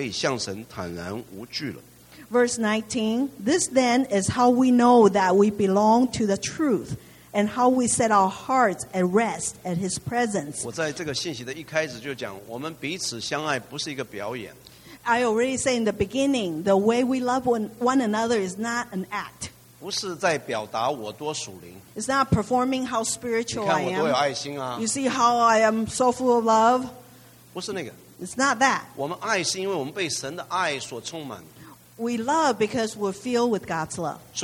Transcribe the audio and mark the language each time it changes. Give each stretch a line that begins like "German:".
Chinese: 我们的心若责备我们，神比我们的心大。一切是没有不知道的，亲爱的弟兄们，我们的心若不责备我们，我们就可以向神坦然无惧了。Verse
English: 19, this then is how we know that we belong to the truth, and how we set our hearts at rest at His presence.
Chinese: 我在这个信息的一开始就讲，我们彼此相爱不是一个表演。
English: I already say in the beginning, the way we love one another is not an act.
Chinese: 不是在表达我多属灵。
English: It's not performing how spiritual I am.
Chinese: 你看我多有爱心啊。
English: You see how I am so full of love?
Chinese: 不是那个。
English: It's not that.
Chinese: 我们爱是因为我们被神的爱所充满。
English: We love because we're filled with God's love.